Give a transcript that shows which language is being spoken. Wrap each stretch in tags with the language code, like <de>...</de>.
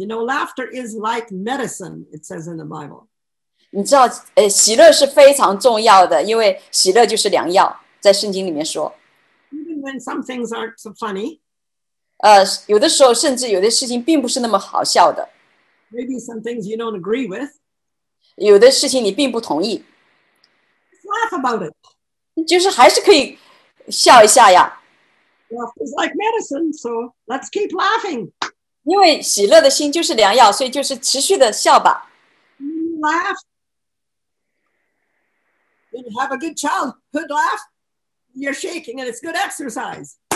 <en>You know, laughter is like medicine, it says in the Bible.</en> <zh>你知道，喜乐是非常重要的，因为喜乐就是良药，在圣经里面说。Even</zh> <en>when some things aren't so funny.</en> <zh>有的时候甚至有的事情并不是那么好笑的。</zh> <en>Maybe some things you don't agree with.</en> <zh>有的事情你并不同意。</zh> <en>Just laugh about it.</en> <zh>就是还是可以笑一下呀。Well,</zh> <en>it's like medicine, so let's keep laughing.</en> <zh>因为喜乐的心就是良药，所以就是持续的笑吧。</zh> <en>When you laugh, when you have a good childhood laugh, you're shaking and it's good exercise.</en>